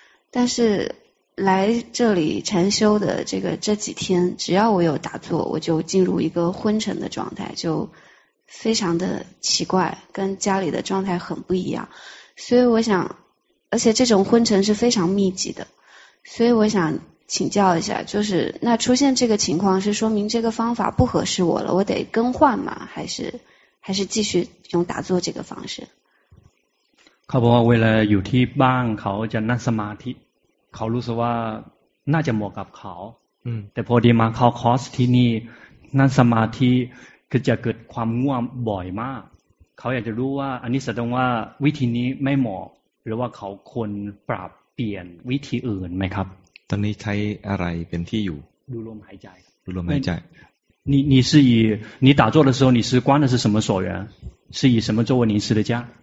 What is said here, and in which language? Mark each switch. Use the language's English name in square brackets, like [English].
[Chinese] 但是来这里禅修的这几天只要我有打坐我就进入一个昏沉的状态就非常的奇怪跟家里的状态很不一样所以我想而且这种昏沉是非常密集的所以我想请教一下就是那出现这个情况是说明这个方法不合适我了我得更换吗还是继续用打坐这个方式 [Thai] เขาบอกว่าเวลาอยู่ที่บ้านเขาจะนั่งสมาธิเขารู้สึกว่าน่าจะเหมาะกับเขาแต่พอดีมาเข้าคอร์สที่นี่นั่งสมาธิก็จะเกิดความง่วงบ่อยมากเขาอยากจะรู้ว่าอันนี้แสดงว่าวิธีนี้ไม่เหมาะหรือว่าเขาควรปรับเปลี่ยนวิธีอื่นไหมครับ ตอนนี้ใช้อะไรเป็นที่อยู่ดูลมหายใจ ดูลมหายใจ [Chinese] 你打坐的时候你是关的是什么所缘是以什么作为临时的家